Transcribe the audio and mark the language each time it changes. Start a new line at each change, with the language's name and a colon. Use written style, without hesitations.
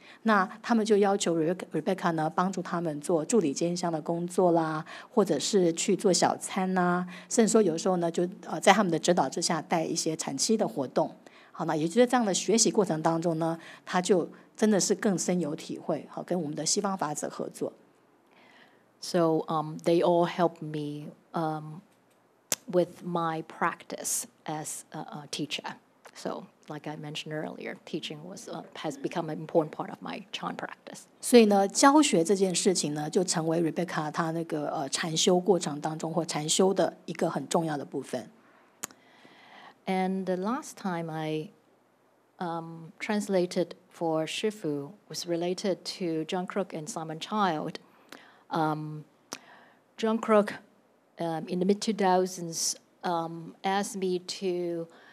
Chinese: 那他们就要求 Rebecca 呢帮助他们做助理兼香的工作啦，或者是去做小餐啦，甚至说有时候呢就在他们的指导之下带一些禅期的活动。好，那也就是这样的学习过程当中呢，他就真的是更深有体会，好，跟我们的西方法子合作。
English: So they all helped me with my practice as a teacher. So. Like I mentioned earlier, teaching has become an important part of my chan practice.
Chinese: 所以呢，教学这件事情呢，就成为 Rebecca 她那个禅修过程当中或禅修的一个很重要的部分。
English: And the last time I translated for Shifu was related to John Crook and Simon Child. John Crook, in the mid-2000s, asked me to.